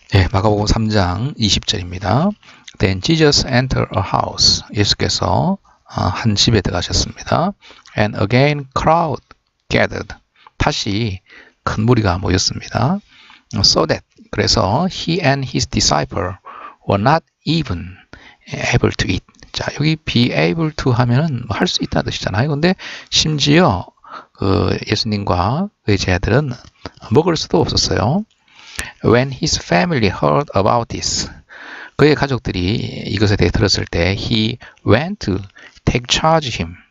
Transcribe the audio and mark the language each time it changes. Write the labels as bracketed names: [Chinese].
[Korean] 네, 마가복음 3장 20절입니다. [English] Then Jesus entered a house. [Korean] 예수께서 한 집에 들어가셨습니다. [English] And again crowd gathered. [Korean] 다시 큰 무리가 모였습니다. [English] So that, [Korean] 그래서 [English] he and his disciple were not even able to eat. [Korean] 자, 여기 be able to 하면은 뭐할수 있다는 뜻이잖아요. 근데 심지어 그 예수님과 그의 제자들은 먹을 수도 없었어요. [English] When his family heard about this, [Korean] 그의 가족들이 이것에 대해 들었을 때, [English] he went to take charge him.